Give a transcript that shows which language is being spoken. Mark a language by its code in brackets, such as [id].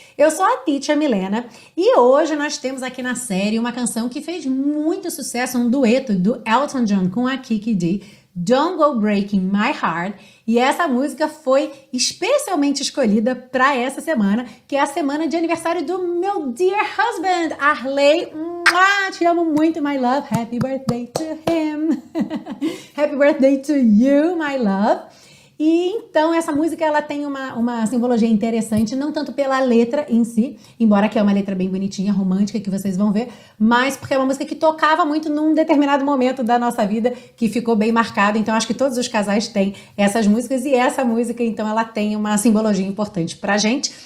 [pt] Eu sou a Teacher Milena e hoje nós temos aqui na série uma canção que fez muito sucesso, um dueto do Elton John com a Kiki Dee, Don't Go Breaking My Heart, e essa música foi especialmente escolhida para essa semana, que é a semana de aniversário do meu dear husband, Arley. Ah, te amo muito, [en] my love. Happy birthday to him. Happy birthday to you, my love. [pt] E então, essa música ela tem uma simbologia interessante, não tanto pela letra em si, embora que é uma letra bem bonitinha, romântica, que vocês vão ver, mas porque é uma música que tocava muito num determinado momento da nossa vida, que ficou bem marcado. Então, acho que todos os casais têm essas músicas, e essa música, então, ela tem uma simbologia importante pra gente.